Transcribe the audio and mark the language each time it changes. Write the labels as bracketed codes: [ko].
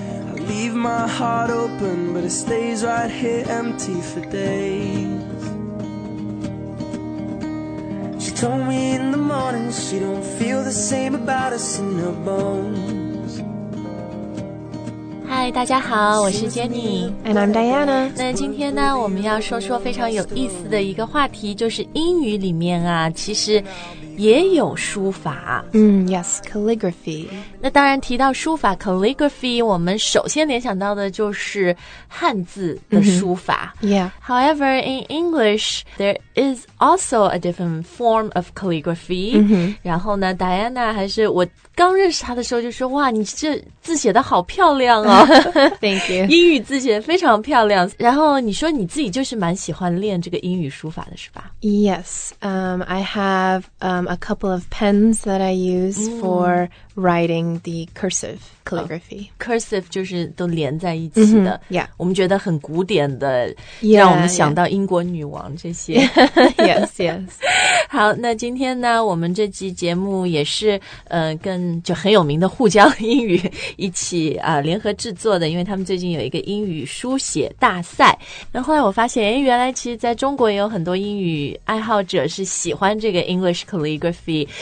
[en] I leave my heart open, but it stays right here empty for days. She told me in the morning she don't feel the same about us in her bones. [zh] Hi, 大家好，我是 Jenny. [en] And I'm Diana. [zh] 那今天呢，我们要说说非常有意思的一个话题，就是英语里面啊，其实也有书法。 [en] Yes, calligraphy. [zh] 那当然提到书法 calligraphy, 我们首先联想到的就是汉字的书法。 [en] Yeah. However, in English, there is also a different form of calligraphy.、 Mm-hmm. [zh] 然后呢 ,Diana 还是我刚认识他的时候就说哇你这字写得好漂亮哦。 [en] Thank you. [zh] 英语字写得非常漂亮。然后你说你自己就是蛮喜欢练这个英语书法的是吧 [en] ?Yes, I have,a couple of pens that I use for writing the cursive calligraphy. [zh] Cursive 就是都连在一起的、 [en] mm-hmm. yeah. [zh] 我们觉得很古典的 [en] yeah, [zh] 让我们想到英国女王这些、 [en] yeah. Yes, yes. [zh] 好那今天呢我们这期节目也是、跟就很有名的沪江英语一起、联合制作的因为他们最近有一个英语书写大赛那后来我发现、哎、原来其实在中国也有很多英语爱好者是喜欢这个English calligraphy,